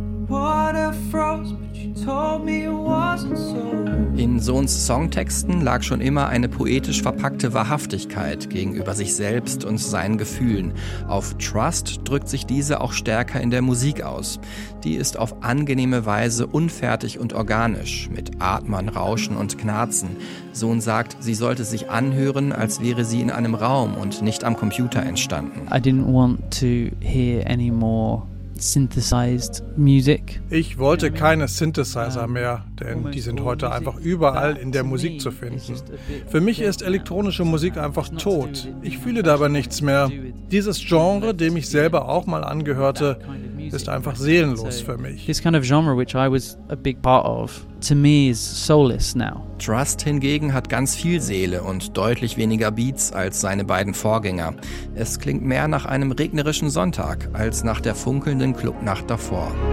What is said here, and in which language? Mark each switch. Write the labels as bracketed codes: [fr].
[en] Water froze, but you told me it wasn't so. [de] In Sohns Songtexten lag schon immer eine poetisch verpackte Wahrhaftigkeit gegenüber sich selbst und seinen Gefühlen. Auf Trust drückt sich diese auch stärker in der Musik aus. Die ist auf angenehme Weise unfertig und organisch, mit Atmen, Rauschen und Knarzen. Sohn sagt, sie sollte sich anhören, als wäre sie in einem Raum und nicht am Computer entstanden. [en] I didn't want to hear any more synthesized music. [de] Ich wollte keine Synthesizer mehr, denn die sind heute einfach überall in der Musik zu finden. Für mich ist elektronische Musik einfach tot. Ich fühle dabei nichts mehr. Dieses Genre, dem ich selber auch mal angehörte, ist einfach seelenlos für mich. [en] This kind of genre which I was a big part of, to me is soulless now. [de] Trust hingegen hat ganz viel Seele und deutlich weniger Beats als seine beiden Vorgänger. Es klingt mehr nach einem regnerischen Sonntag als nach der funkelnden Clubnacht davor.